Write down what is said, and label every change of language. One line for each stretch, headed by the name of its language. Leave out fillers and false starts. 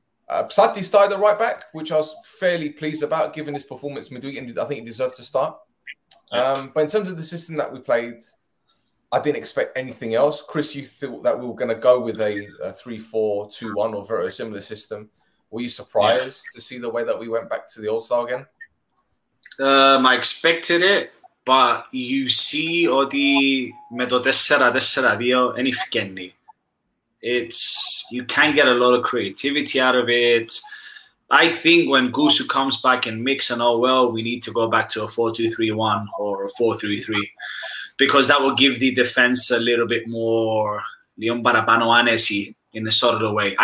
English: Psati started at right-back, which I was fairly pleased about, given his performance midweek, and I think he deserved to start. But in terms of the system that we played, I didn't expect anything else. Chris, you thought that we were going to go with a 3-4-2-1 or very similar system. Were you surprised to see the way that we went back to the old style again? I expected it. But you see
Greek: ότι με το 4-4-2 δεν φγαίνει.
English: You can get a lot of creativity out of it. I think when Gusu comes back and mix and all, well, we need to go back to a 4-2-3-1 or a 4-3-3 because that will give the defense a little bit more
Greek: λίγο παραπάνω άνεση
English: in a sort of way.